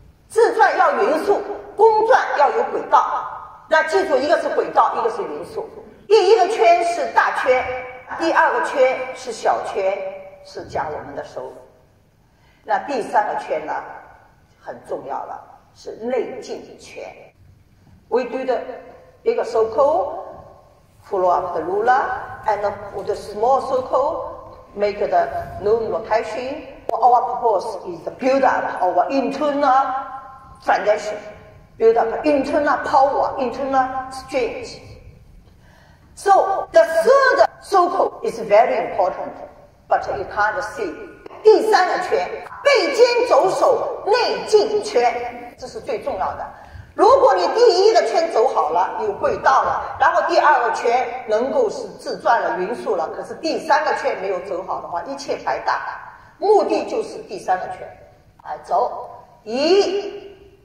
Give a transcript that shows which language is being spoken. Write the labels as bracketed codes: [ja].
[zh] 自转要匀速，公转要有轨道。那记住，一个是轨道，一个是匀速。第一个圈是大圈，第二个圈是小圈，是讲我们的手。那第三个圈呢很重要了，是内劲圈。 [en] We do the big circle follow up the ruler and for the small circle make the noon rotation. Our purpose is to build up our internal foundation, build up internal power, internal strength. So the third circle is very important, but you can't see. [zh] 第三个圈，背肩走手内劲圈，这是最重要的。如果你第一个圈走好了，有轨道了，然后第二个圈能够是自转了、匀速了，可是第三个圈没有走好的话，一切白搭。目的就是第三个圈，来走，一、